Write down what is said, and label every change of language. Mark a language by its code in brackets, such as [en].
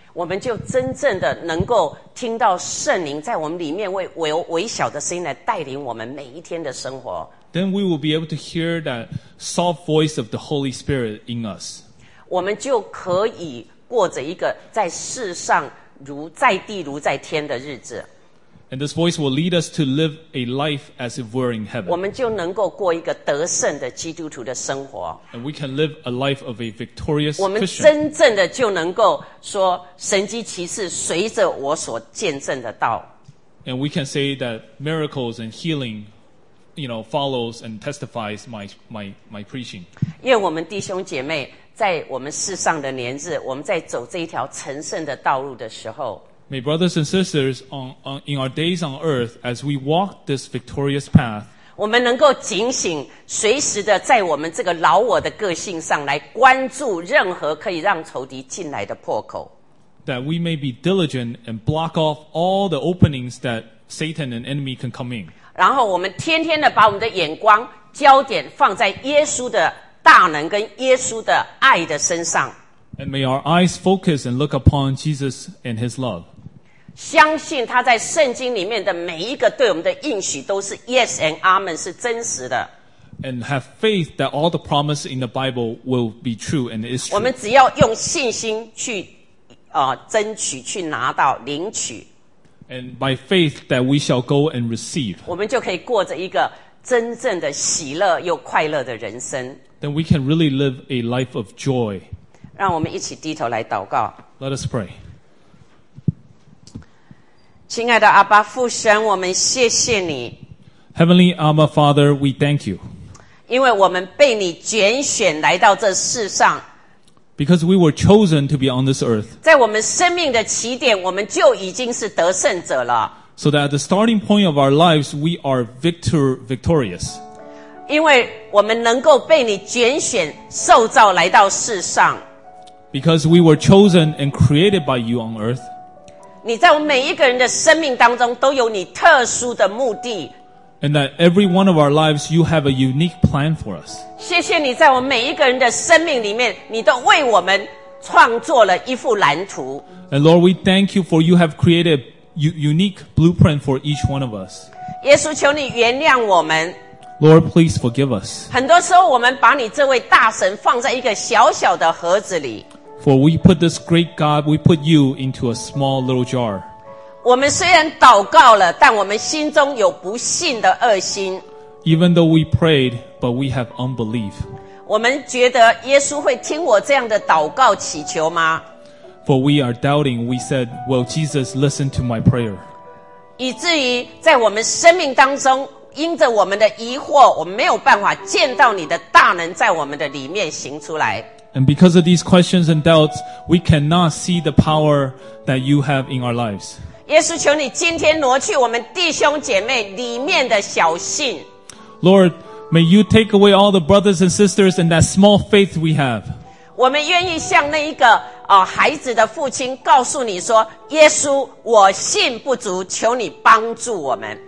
[zh] 我们就真正的能够听到圣灵在我们里面为微小的声音来带领我们每一天的生活 [en] Then we will be able to hear that soft voice of the Holy Spirit in us. [zh] 我们就可以过着一个在世上如在地如在天的日子。 [en] And this voice will lead us to live a life as if we're in heaven. [zh] 我们就能够过一个得胜的基督徒的生活。 [en] And we can live a life of a victorious Christian. [zh] 我们真正的就能够说神迹奇事随着我所见证的道。 [en] And we can say that miracles and healing, you know, follows and testifies my preaching. [zh] 愿我们弟兄姐妹在我们世上的年日，我们在走这一条成圣的道路的时候 [en] ，May brothers and sisters in our days on earth as we walk this victorious path， [zh] 我们能够警醒，随时的在我们这个老我的个性上来关注任何可以让仇敌进来的破口。 [en] That we may be diligent and block off all the openings that Satan and enemy can come in。 [zh] 然后我们天天的把我们的眼光焦点放在耶稣的。大能跟耶稣的爱的身上 [en] And may our eyes focus and look upon Jesus and his love [zh] 相信他在圣经里面的每一个对我们的应许都是 [en] Yes and Amen [zh] 是真实的 [en] And have faith that all the promise in the Bible will be true and is true [zh] 我们只要用信心去争取去拿到领取 [en] And by faith that we shall go and receive [zh] 我们就可以过着一个真正的喜乐又快乐的人生 [en] Then we can really live a life of joy. [zh] 让我们一起低头来祷告。 [en] Let us pray. [zh] 亲爱的阿爸父神，我们谢谢你。 [en] Heavenly Abba Father, we thank you. [zh] 因为我们被你拣选来到这世上。 [en] Because we were chosen to be on this earth. [zh] 在我们生命的起点，我们就已经是得胜者了。 [en] So that at the starting point of our lives, we are victorious. [zh] 因为我们能够被你拣选受造来到世上 [en] Because we were chosen and created by you on earth [zh] 你在我们每一个人的生命当中都有你特殊的目的 [en] And that every one of our lives you have a unique plan for us [zh] 谢谢你在我们每一个人的生命里面你都为我们创作了一幅蓝图 [en] And Lord we thank you for you have created a unique blueprint for each one of us [zh] 耶稣求你原谅我们 [en] Lord, please forgive us. [zh] 很多时候我们把你这位大神放在一个小小的盒子里。 [en] For we put this great God, we put you into a small little jar. [zh] 我们虽然祷告了，但我们心中有不信的恶心。 [en] Even though we prayed, but we have unbelief. [zh] 我们觉得耶稣会听我这样的祷告祈求吗？ [en] For we are doubting, we said, will Jesus listen to my prayer? [zh] 以至于在我们生命当中因着我们的疑惑我们没有办法见到你的大能在我们的里面行出来 [en] And because of these questions and doubts We cannot see the power that you have in our lives [zh] 耶稣求你今天挪去我们弟兄姐妹里面的小信 [en] Lord, may you take away all the brothers and sisters and that small faith we have [zh] 我们愿意向那一个孩子的父亲告诉你说耶稣我信不足求你帮助我们